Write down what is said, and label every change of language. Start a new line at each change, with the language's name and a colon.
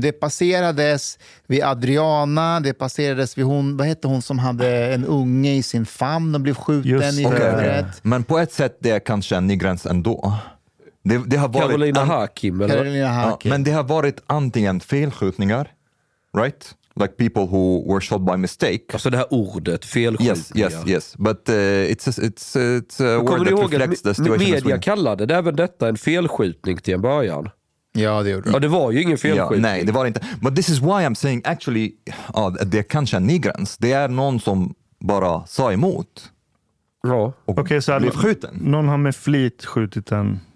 Swedish: Det passerades vid Adriana. Det passerades vid hon, vad hette hon som hade en unge i sin famn och blev skjuten just i huvudet. Okay. Men på ett sätt det är kanske en ny gräns ändå. Det har varit Carolina Hakim. Men det har varit antingen felskjutningar, right?
English: Like people who were shot by mistake.
Swedish: Alltså det här ordet, felskjutningar. Yes.
English: But it's a word that reflects the situation.
Swedish: Kommer ni ihåg media kallade det även detta en felskjutning till en början? Ja, det gjorde det. Ja, det var ju ingen felskjutning. Ja, nej, det var inte.
English: But this is why I'm saying actually,
Swedish: det är kanske en ny gräns. Det är någon som bara sa emot. Ja. Okej, så skjuten. Någon har med flit skjutit en...